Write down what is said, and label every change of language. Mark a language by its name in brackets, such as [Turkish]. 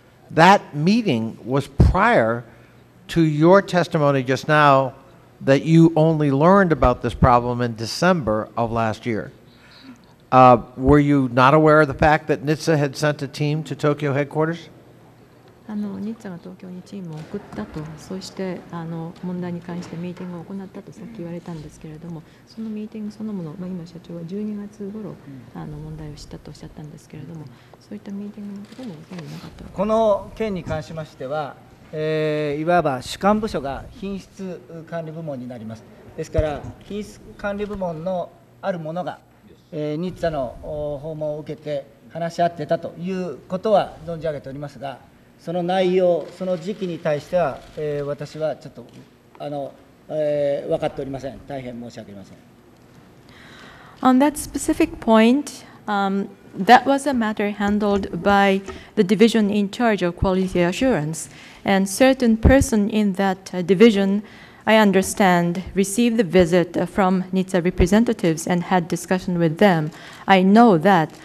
[English] That meeting was prior to your testimony just now that you only learned about this problem in December of last year. Were you not aware of the fact that NHTSA had sent a team to Tokyo headquarters? [Japanese] NHTSA が東京にチームを送ったと、そして問題に関してミーティングを行ったとさっき言われたんですけれども、そのミーティングそのもの、今社長は12月頃問題を知ったとおっしゃったんですけれども、そういったミーティングのことも分かりなかった。この件に関しましては、いわば主管部署が品質管理部門になります。ですから、品質管理部門のあるものが、NHTSA の訪問を受けて話し合ってたということは存じ上げておりますが、その内容、その時期に対しては、私はちょっと分かっておりません。大変申し訳ありません。 [English] On that specific point, that was a matter handled by the division in charge of quality assurance. And certain person in that division, I understand, received the visit from NHTSA representatives and had discussion with them. I know that.